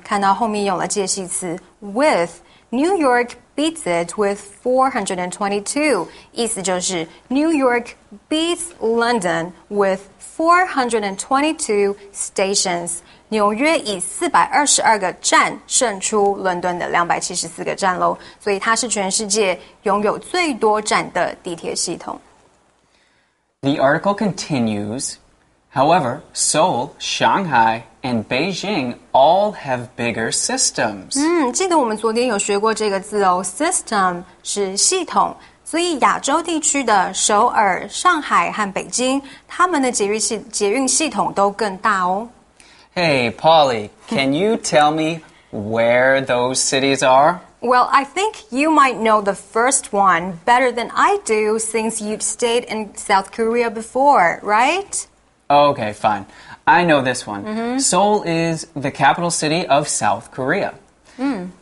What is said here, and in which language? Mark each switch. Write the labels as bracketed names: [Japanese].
[Chinese] 看到后面用了介系词 [English] with。New York beats it with 422. [Chinese] 意思就是 [English] New York beats London with 422 stations. [Chinese] 纽约以422个站胜出伦敦的274个站楼，所以它是全世界拥有最多站的地铁系统。 [English] The article continues, however, Seoul, Shanghai,And Beijing all have bigger systems. [Chinese] 记得我们昨天有学过这个字哦 ，system 是系统，所以亚洲地区的首尔、上海和北京，他们的捷运系统都更大哦。 [English] Hey, Polly, can you tell me where those cities are? Well, I think you might know the first one better than I do, since you've stayed in South Korea before, right? Okay, fine. I know this one.、Mm-hmm. Seoul is the capital city of South Korea.、Mm.